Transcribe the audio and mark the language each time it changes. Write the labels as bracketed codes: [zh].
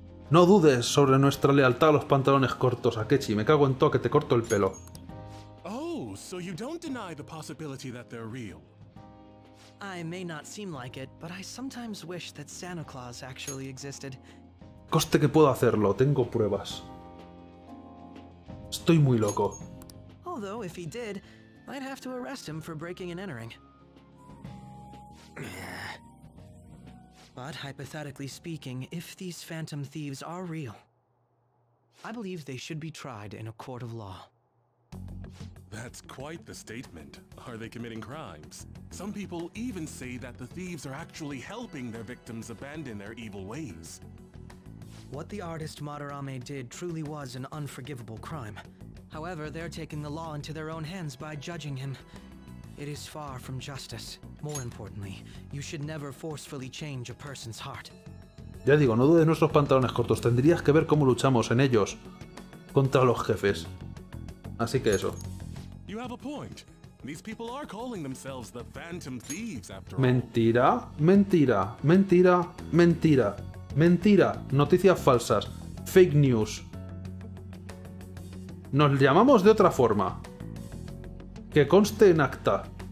[es] No dudes sobre nuestra lealtad a los pantalones cortos, Akechi. Me cago en todo que te corto el pelo. [en] Oh, so you don't deny the possibility that they're real. I may not seem like it, but I sometimes wish that Santa Claus actually existed. [es] Coste que puedo hacerlo, tengo pruebas. Estoy muy loco. [en] Although, if he did, I'd have to arrest him for breaking and entering. But, hypothetically speaking, if these phantom thieves are real, I believe they should be tried in a court of law. That's quite the statement. Are they committing crimes? Some people even say that the thieves are actually helping their victims abandon their evil ways. What the artist Madarame did truly was an unforgivable crime. However, they're taking the law into their own hands by judging him. It is far from justice. More importantly, you should never forcefully change a person's heart. [es] Ya digo, no dudes nuestros pantalones cortos. Tendrías que ver cómo luchamos en ellos contra los jefes. Así que eso. [en] You have a point. These people are calling themselves the Phantom Thieves after [es] all. Mentira, mentira, mentira, mentira, mentira, noticias falsas, [en] fake news. [es] Nos llamamos de otra forma. Que conste en acta.